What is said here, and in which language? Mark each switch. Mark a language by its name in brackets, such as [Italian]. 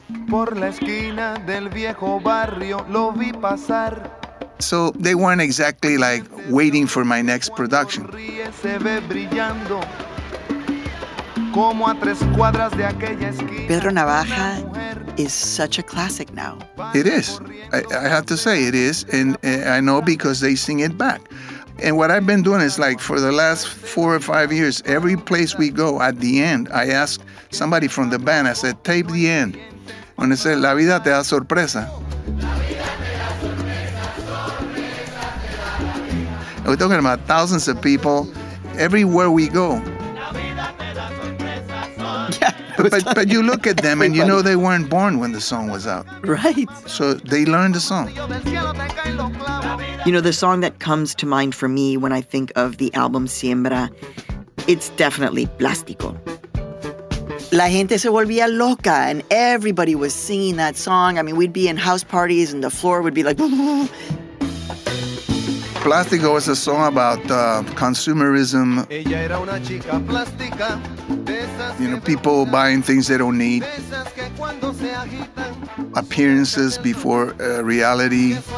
[Spanish] Por la esquina del viejo barrio, lo vi pasar. [English] So they weren't exactly like waiting for my next production. [Spanish] Ríe, se ve brillando, como a tres cuadras de aquella esquina. [English] Pedro Navaja is such a classic now. It is. I have to say it is, and I know because they sing it back. And what I've been doing is, like, for the last 4 or 5 years, every place we go, at the end, I ask somebody from the band, I said, tape the end. And they say, [Spanish] La vida te da sorpresa. [English] And we're talking about thousands of people everywhere we go. But you look at them and you know they weren't born when the song was out. Right. So they learned the song. You know, the song that comes to mind for me when I think of the album Siembra, it's definitely Plástico. [Spanish] La gente se volvía loca [English] and everybody was singing that song. I mean, we'd be in house parties and the floor would be like... Plástico is a song about consumerism. [Spanish] Ella era una chica plástica, de esas, [English] you know, people que buying things they don't need. [Spanish] De esas que cuando se agitan, [English] appearances before reality.